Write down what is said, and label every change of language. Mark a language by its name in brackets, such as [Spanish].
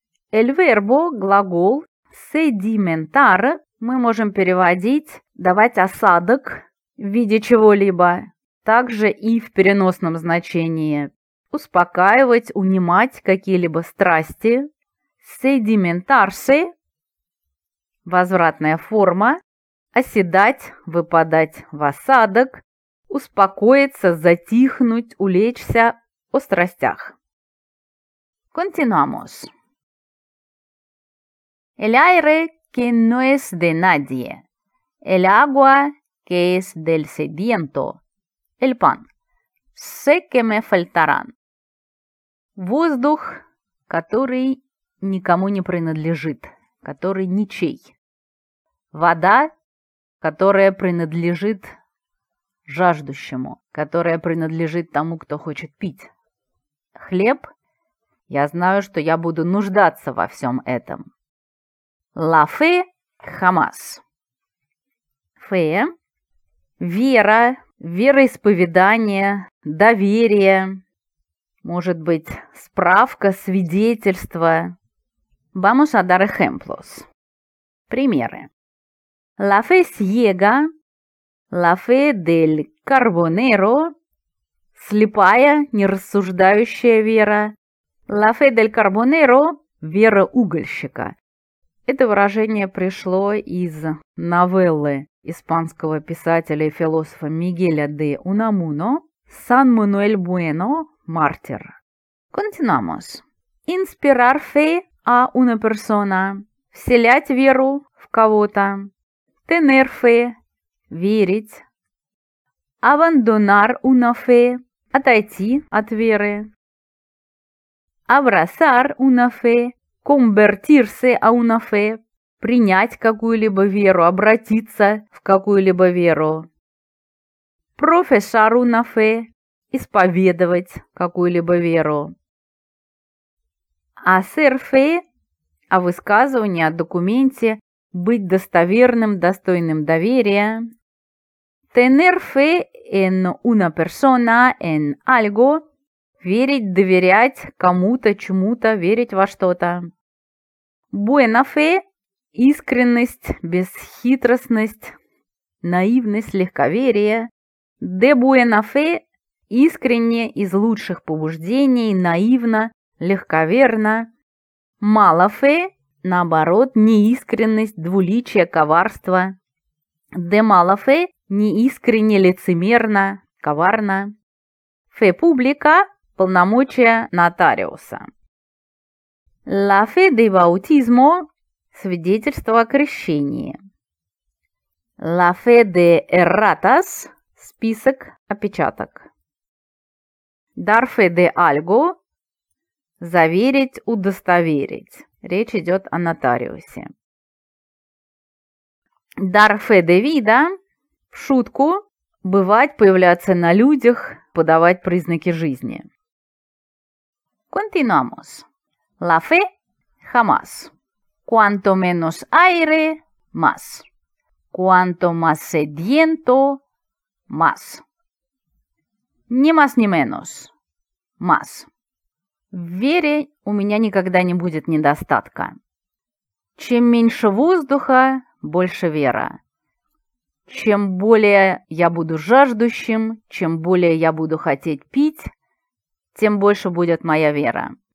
[Spanish] El verbo, [Russian] глагол, sedimentar, мы можем переводить, давать осадок в виде чего-либо, также и в переносном значении успокаивать, унимать какие-либо страсти. Sedimentarse – возвратная форма. Оседать, выпадать в осадок. Успокоиться, затихнуть, улечься о страстях. [Spanish] Continuamos. El aire que no es de nadie. El agua que es del sediento. El pan. Sé que me faltarán. [Russian] Воздух, который никому не принадлежит, который ничей. Вода, которая принадлежит жаждущему, которая принадлежит тому, кто хочет пить. Хлеб. Я знаю, что я буду нуждаться во всем этом. [Spanish] La fe, [Russian] хамас. Fe, вера. Вероисповедание, доверие, может быть, справка, свидетельство. [Spanish] Vamos a dar ejemplos. [Russian] Примеры. [Spanish] La fe ciega, la fe del carbonero, [Russian] слепая, нерассуждающая вера. [Spanish] La fe del carbonero, [Russian] вера угольщика. Это выражение пришло из новеллы испанского писателя и философа Мигеля де Унамуно «Сан Мануэль Буэно, мартир». [Spanish] Continuamos. Inspirar fe a una persona. [Russian] Вселять веру в кого-то. [Spanish] Tener fe. [Russian] Верить. [Spanish] Abandonar una fe. [Russian] Отойти от веры. [Spanish] Abrazar una fe. Convertirse a una fe. [Russian] Принять какую-либо веру, обратиться в какую-либо веру. [Spanish] Professar una fe – [Russian] исповедовать какую-либо веру. [Spanish] Hacer fe [Russian] – о высказывании, о документе, быть достоверным, достойным доверия. [Spanish] Tener fe en una persona, en algo [Russian] – верить, доверять кому-то, чему-то, верить во что-то. [Spanish] Buena fe – [Russian] искренность, бесхитростность, наивность, легковерие. [Spanish] De buena fe – [Russian] искренне, из лучших побуждений, наивно, легковерно. Малафе, наоборот, неискренность, двуличие, коварство. Де Малафе, неискренне, лицемерно, коварно. Фе публика, полномочия нотариуса. [Spanish] La fe de bautismo, [Russian] свидетельство о крещении. [Spanish] La fe de erratas, [Russian] список опечаток. [Spanish] Dar fe de algo, [Russian] заверить, удостоверить. Речь идет о нотариусе. [Spanish] Dar fe de vida, [Russian] в шутку, бывать, появляться на людях, подавать признаки жизни. [Spanish] Continuamos. La fe, jamás. Cuanto menos aire, más. Cuanto más sediento, más. Ni más ni menos, más. [Russian] В вере у меня никогда не будет недостатка. Чем меньше воздуха, больше вера. Чем более я буду жаждущим, чем более я буду хотеть пить, тем больше будет моя вера.